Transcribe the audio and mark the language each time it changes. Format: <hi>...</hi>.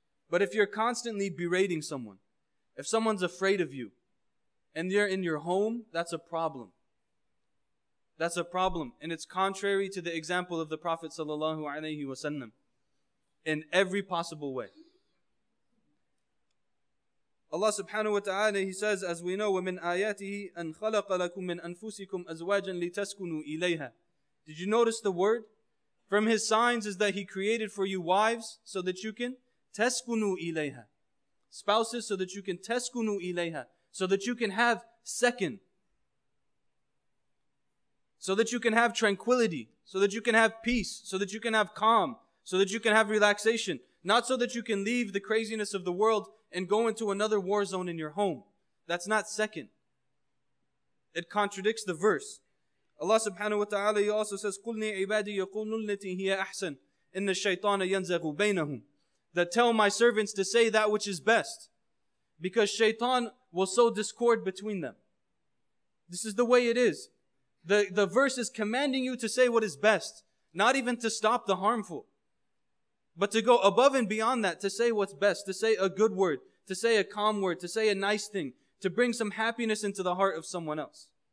<en>But if you're constantly berating someone, if someone's afraid of you, and you're in your home, that's a problem. That's a problem, and it's contrary to the example of the Prophet sallallahu alaihi wasallam in every possible way.</en> <ar>Allah subhanahu wa ta'ala,</ar> <en>He says, as we know,</en> <ar>وَمِنْ آيَاتِهِ أَنْ خَلَقَ لَكُمْ مِنْ أَنفُسِكُمْ أَزْوَاجًا لِتَسْكُنُوا إِلَيْهَا.</ar> <en>Did you notice the word? From His signs is that He created for you wives so that you can</en> <ar>تَسْكُنُوا إِلَيْهَا.</ar> <en>Spouses so that you can</en> <ar>تَسْكُنُوا إِلَيْهَا.</ar> <en>So that you can have second. So that you can have tranquility, so that you can have peace, so that you can have calm, so that you can have relaxation. Not so that you can leave the craziness of the world and go into another war zone in your home. That's not second. It contradicts the verse.</en> <ar>Allah subhanahu wa ta'ala,</ar> <en>He also says,</en> <ar>قُلْنِي عِبَادِي يَقُولُ لِلَّتِي هِيَ أَحْسَنُ إِنَّ الشَّيْطَانَ يَنْزَغُ بَيْنَهُمْ.</ar> <en>That tell my servants to say that which is best. Because shaitan will sow discord between them. This is the way it is. The verse is commanding you to say what is best. Not even to stop the harmful. But to go above and beyond that, to say what's best, to say a good word, to say a calm word, to say a nice thing, to bring some happiness into the heart of someone else.</en>